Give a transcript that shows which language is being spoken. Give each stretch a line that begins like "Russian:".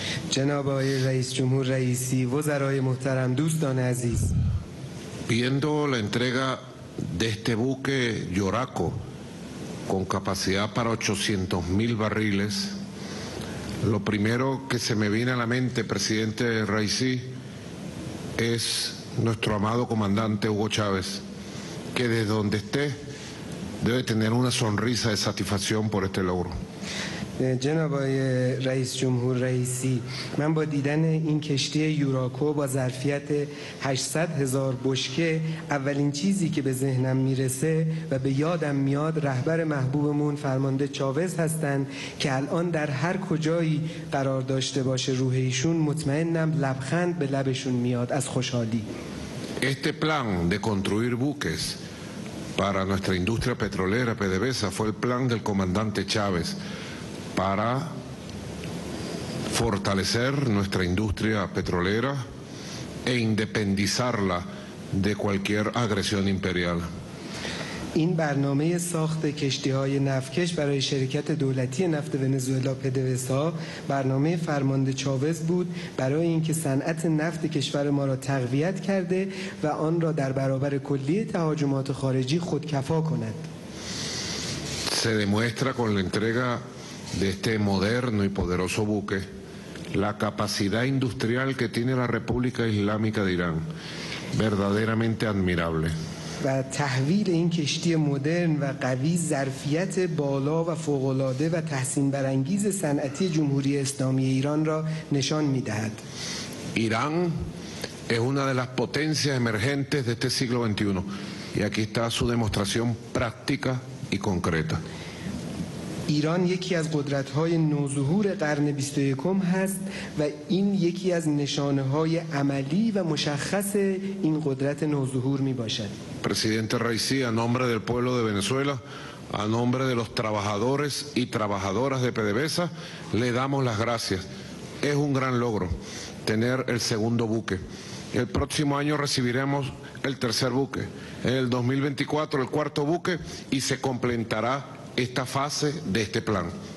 Persian: جناب آقای رئیس جمهور رئیسی وزرای محترم دوستان عزیز
Spanish: viendo la entrega de este buque Yoraco con capacidad para 800.000 barriles lo primero que se me viene a la mente presidente Raisi es nuestro amado comandante Hugo Chávez que desde donde esté debe tener una sonrisa de satisfacción por este logro
Persian: جناب آقای رئیس جمهور رئیسی من با دیدن این کشتی یوراکو با ظرفیت 800 هزار بشکه اولین چیزی که به ذهنم میرسه و به یادم میاد رهبر محبوبمون فرمانده چاوز هستن که الان در هر کجایی قرار داشته باشه روح ایشون مطمئنم لبخند به لبشون میاد از خوشحالی
Spanish: Este plan de construir buques para nuestra industria petrolera PDVSA fue el plan del comandante Chávez para fortalecer nuestra industria petrolera e independizarla de cualquier agresión imperial.
Persian: این برنامه ساخت کشتی‌های نفتکش برای شرکت دولتی نفت ونزوئلا پدوسا برنامه فرمانده چاوز بود برای اینکه صنعت نفت کشور ما را تقویت کرده و آن را در برابر کلیه تهاجمات خارجی خودکفا کند.
Spanish: Se demuestra con la entrega de este moderno y poderoso buque la capacidad industrial que tiene la República Islámica de Irán, verdaderamente admirable.
Persian: و تحویل این کشتی مدرن و قوی ظرفیت بالا و فوق‌العاده و تحسین برانگیز صنعتی جمهوری اسلامی ایران را نشان می‌دهد.
Spanish: ایران es una de las potencias emergentes de este siglo 21 y aquí está su demostración práctica y concreta.
Persian: ایران یکی از قدرت‌های نوظهور قرن 21 هست و این یکی از نشانه‌های عملی و مشخص این قدرت نوظهور می‌باشد.
Spanish: Presidente Raisi, a nombre del pueblo de Venezuela, a nombre de los trabajadores y trabajadoras de PDVSA, le damos las gracias. Es un gran logro tener el segundo buque. El próximo año recibiremos el tercer buque. En el 2024 el cuarto buque y se completará esta fase de este plan.